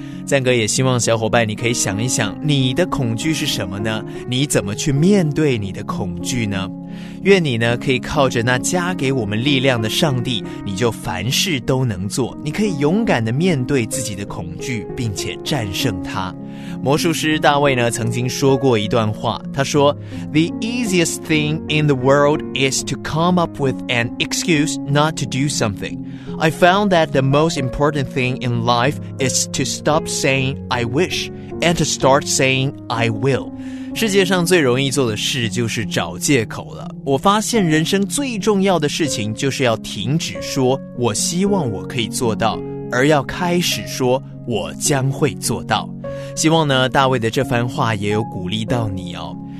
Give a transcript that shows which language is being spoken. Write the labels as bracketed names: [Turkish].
[Chinese] 赞哥也希望小伙伴你可以想一想，你的恐惧是什么呢？你怎么去面对你的恐惧呢？愿你呢可以靠着那加给我们力量的上帝，你就凡事都能做，你可以勇敢地面对自己的恐惧，并且战胜它。魔术师大卫呢曾经说过一段话，他说 [English] The easiest thing in the world is to come up with an excuse not to do something. I found that the most important thing in life is to stop saying I wish and to start saying I will. [Chinese] 世界上最容易做的事就是找借口了。我发现人生最重要的事情就是要停止说我希望我可以做到，而要开始说我将会做到。希望呢大卫的这番话也有鼓励到你哦。